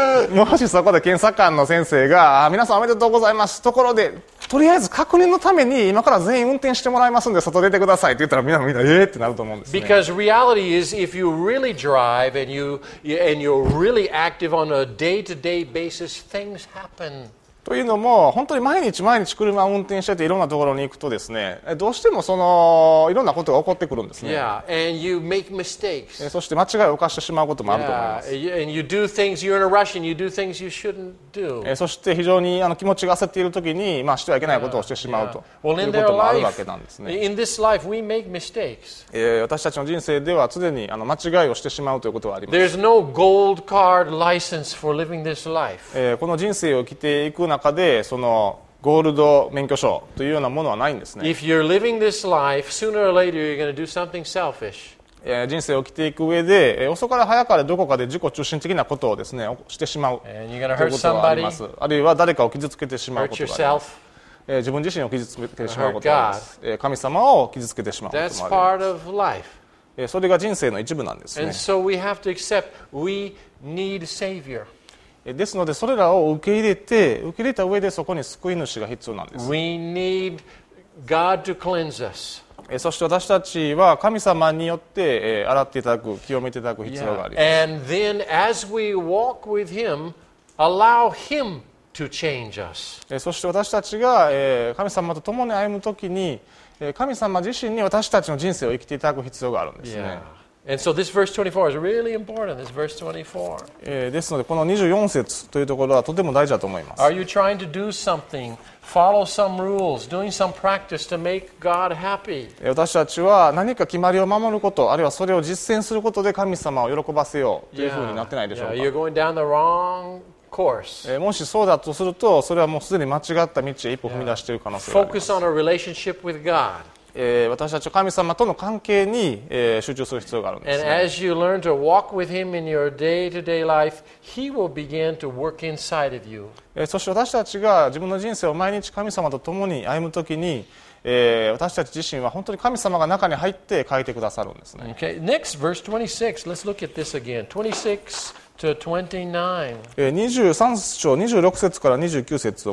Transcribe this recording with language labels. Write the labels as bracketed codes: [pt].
[ja] もしそこで検査官の先生が、皆さんおめでとうございますところで、とりあえず確認のために今から全員運転してもらいますんで外出てくださいって言ったら、みんなってなると思うんですね。 [en] Because reality is if you really drive and, you, and you're really active on a day-to-day basis, things happen. [ja] というのも本当に毎日毎日車を運転してていろんなところに行くとですね、どうしてもそのいろんなことが起こってくるんですね。 [en] Yeah, and you make mistakes. [ja] そして間違いを犯してしまうこともあると思います。 [en] Yeah, and you do things, you're in a rush and you do things you shouldn't do. [ja] そして非常にあの気持ちが焦っているときに、まあ、してはいけないことをしてしまうと、 yeah, yeah. ということもあるわけなんですね。 [en] In this life, we make mistakes. [ja] 私たちの人生では常にあの間違いをしてしまうということはあります。 [en] There's no gold card license for living this life. [ja] この人生を生きていく中でそのゴールド免許証というようなものはないんですね。 [en] If you're living this life, sooner or later you're going to do something selfish. [ja] 人生を生きていく上で、遅かれ早かれどこかで自己中心的なことをですね、してしまうということがあります。あるいは誰かを傷つけてしまうことがあります。自分自身を傷つけてしまうことがあります。神様を傷つけてしまうこともあります。 [en] That's part of life. [ja] それが人生の一部なんですね。 [en] And so we have to accept we need savior. [ja] ですので、それらを受け入れた上でそこに救い主が必要なんです。 [en] We need God to cleanse us. [ja] そして私たちは神様によって洗っていただく、清めていただく必要があります。 [en] Yeah. And then as we walk with him, allow him to change us. [ja] そして私たちが神様と共に歩むときに、神様自身に私たちの人生を生きていただく必要があるんですね。 [en] Yeah. And so this verse 24 is really important. This verse 24. [ja] ですので、この24節というところはとても大事だと思います。 [en] Are you trying to do something, follow some rules, doing some practice to make God happy? [ja] 私たちは何か決まりを守ること、あるいはそれを実践することで神様を喜ばせようというふうになってないでしょうか。 [en] Yeah. You're going down the wrong course. [ja] もしそうだとすると、それはもうすでに間違った道へ一歩踏み出している可能性があります。 [en] Focus on a relationship with God. [ja] 私たちは神様との関係に集中する必要があるんですね。 [en] And as you learn to walk with him in your day-to-day life, he will begin to work inside of you. [ja] そして私たちが自分の人生を毎日神様と共に歩むときに、私たち自身は本当に神様が中に入って変えてくださるんですね。 [en] Okay. Next verse 26. Let's look at this again. 26 to 29. [ja] 23章26節から29節を